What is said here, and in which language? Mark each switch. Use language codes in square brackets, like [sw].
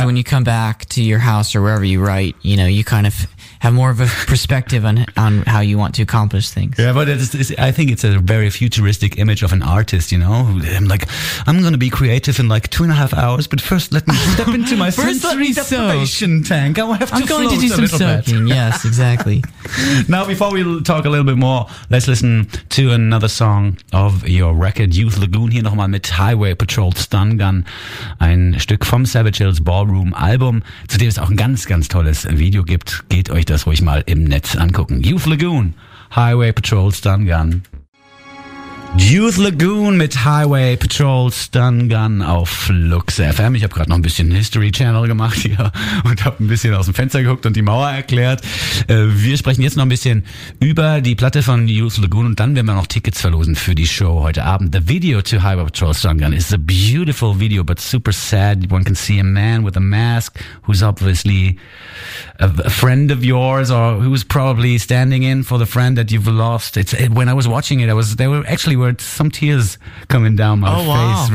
[en] So when you come back to your house or wherever you write, you know, you kind of have more of a perspective on how you want to accomplish things. Yeah, but I think it's a very futuristic image of an artist, you know? I'm like, I'm going to be creative in like 2.5 hours, but first let me step into my sensory deprivation tank. I will have to float a little bit. I'm going to do some soaking, yes, exactly. Now, before we talk a little bit more, let's listen to another song of your record, Youth Lagoon, [de] hier nochmal mit Highway Patrol Stun Gun, ein Stück vom Savage Hills Ballroom Album, zu dem es auch ein ganz, ganz tolles Video gibt. Geht euch das ruhig mal im Netz angucken. Youth Lagoon, Highway Patrol Stun Gun. Youth Lagoon mit Highway Patrol Stun Gun auf Lux FM. Ich habe gerade noch ein bisschen History Channel gemacht hier und habe ein bisschen aus dem Fenster geguckt und die Mauer erklärt. Wir sprechen jetzt noch ein bisschen über die Platte von Youth Lagoon und dann werden wir noch Tickets verlosen für die Show heute Abend. [en] The video to Highway Patrol Stun Gun is a beautiful video, but super sad. One can see a man with a mask who's obviously a friend of yours or who's probably standing in for the friend that you've lost. When I was watching it, there were some tears coming down my face.